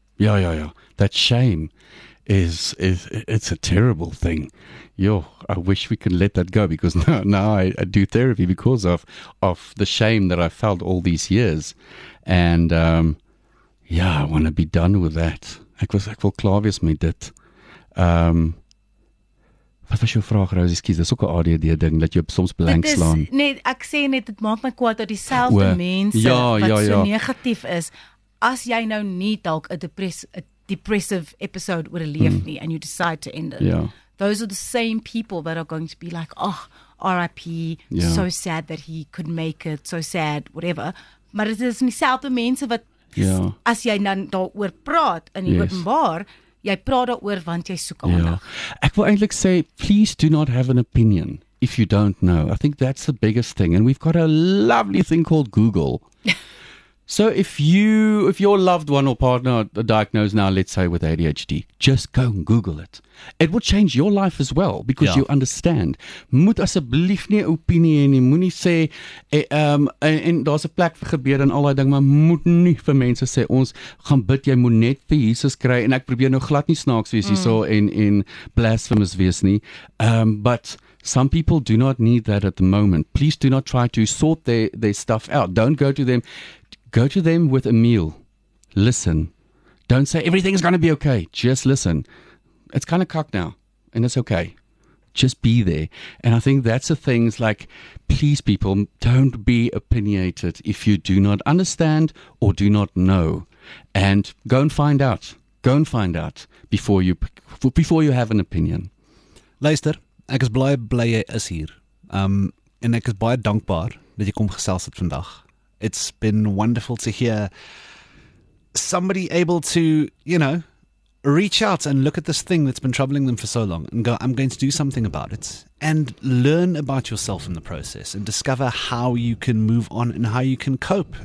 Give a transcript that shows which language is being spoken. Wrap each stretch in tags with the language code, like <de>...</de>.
<en>Ja. That shame is it's a terrible thing. Yo, I wish we could let that go, because now I do therapy because of the shame that I felt all these years. And I want to be done with that.</en> <af>Ek wil klaar wees met dit. Wat was jou vraag, Rosie? Excuse, dis ook 'n ADHD ding, dat jy soms blank slaan. Nee, ek sê net, dit maak my kwaad dat dieselfde mense so negatief is. As jy nou nie dalk</af> <en>a depressive episode would leave nie, and you decide to end it, those are the same people that are going to be like, oh, RIP, so sad that he could make it, so sad, whatever.</en> <af>Maar dit is dieselfde mense wat, as jy dan daaroor praat, in die openbaar, jy praat daaroor want jy soek aandag. Ek wil eintlik sê,</af> <en>please do not have an opinion. if you don't know? I think that's the biggest thing. And we've got a lovely thing called Google. So if your loved one or partner are diagnosed now, let's say with ADHD, just go and Google it. It will change your life as well because you understand.</en> <af>Moet asseblief nie opinie hê nie. Moenie sê en daar's 'n plek vir gebed en al daai ding, maar moet nie vir mense sê ons gaan bid, jy moet net vir Jesus kry en ek probeer nou glad nie snaaks wees hierso en blasphemous wees nie.</af> <en>But some people do not need that at the moment. Please do not try to sort their stuff out. Don't go to them. Go to them with a meal. Listen. Don't say everything's going to be okay. Just listen. It's kind of cocked now, and it's okay. Just be there. And I think that's the things like, please, people, don't be opinionated if you do not understand or do not know. And go and find out. Go and find out before you have an opinion.</en> <af>Luister, ek is baie bly jy is hier. En ek is baie dankbaar dat jy kom gesels het vandag.</af> <en>It's been wonderful to hear somebody able to, you know, reach out and look at this thing that's been troubling them for so long and go, I'm going to do something about it and learn about yourself in the process and discover how you can move on and how you can cope.</en>